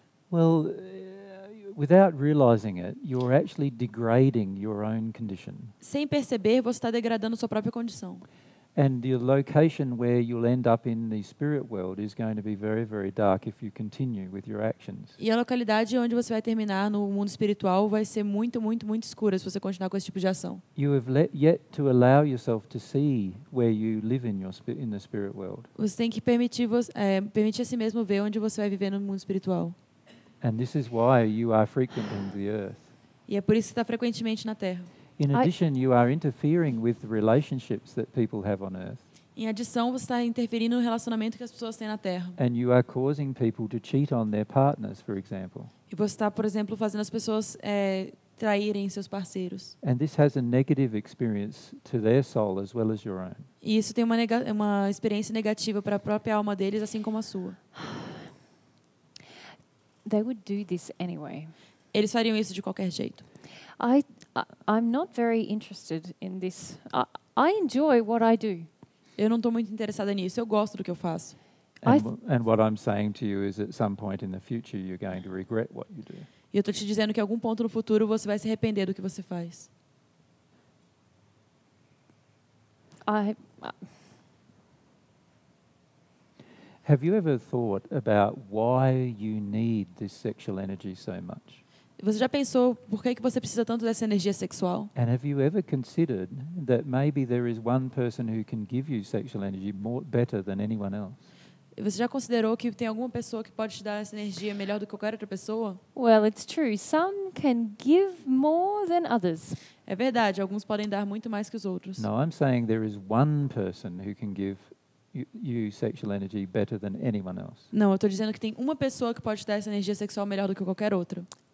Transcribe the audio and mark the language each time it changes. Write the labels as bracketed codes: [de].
[en] Well, without realizing it, you're actually degrading your own condition. [pt] Sem perceber, você está degradando sua própria condição. [en] And the location where you'll end up in the spirit world is going to be very, very dark if you continue with your actions. [pt] E a localidade onde você vai terminar no mundo espiritual vai ser muito, muito, muito escura se você continuar com esse tipo de ação. [en] You have yet to allow yourself to see where you live in the spirit world. [pt] Você tem que permitir a si mesmo ver onde você vai viver no mundo espiritual. [en] And this is why you are frequenting the earth. [pt] E é por isso que está frequentemente na Terra. [en] In addition, you are interfering with the relationships that people have on earth. [pt] Em adição, você está interferindo no relacionamento que as pessoas têm na Terra. [en] And you are causing people to cheat on their partners, for example. [pt] E você está, por exemplo, fazendo as pessoas traírem seus parceiros. [en] And this has a negative experience to their soul as well as your own. [pt] E isso tem uma experiência negativa para a própria alma deles, assim como a sua. [en] They would do this anyway. [pt] Eles fariam isso de qualquer jeito. [en] I'm not very interested in this. I enjoy what I do. [pt] Eu não estou muito interessada nisso. Eu gosto do que eu faço. [en] And what I'm saying to you is, at some point in the future, you're going to regret what you do. [pt] E eu estou te dizendo que algum ponto no futuro você vai se arrepender do que você faz. [en] Have you ever thought about why you need this sexual energy so much? [pt] Você já pensou por que você precisa tanto dessa energia sexual? [en] And have you ever considered that maybe there is one person who can give you sexual energy better than anyone else? [pt] Você já considerou que tem alguma pessoa que pode te dar essa energia melhor do que qualquer outra pessoa? [en] Well, it's true. Some can give more than others. [pt] É verdade, alguns podem dar muito mais que os outros. [en] No, I'm saying there is one person who can give you sexual energy better than anyone else. [pt] Não, eu estou dizendo que tem uma pessoa que pode te dar essa energia sexual melhor do que qualquer outra.